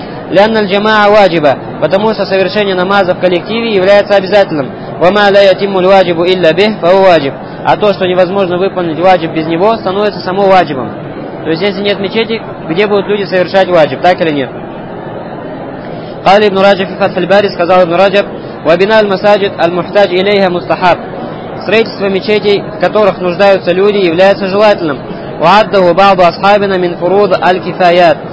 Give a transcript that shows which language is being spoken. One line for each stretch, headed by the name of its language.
Arabic: «Лянна льджамаа ваджиба»,
Russian: потому что совершение намаза в коллективе является обязательным.
Arabic: «Вама ля ятимму льваджибу илля бих фау ваджиб»,
Russian: а то, что невозможно выполнить ваджиб без него, становится само ваджибом. То есть если нет мечети, где будут люди совершать ваджиб, так или нет?
Arabic: قال ابن رجب في فتح الباري
Russian: сказал
Arabic: ابن رجب وبناء المساجد المحتاج إليها مستحب.
Russian: Строительство мечетей, в которых нуждаются люди, является желательным.
Arabic: وعده بعض أصحابنا من فروض الكفايات.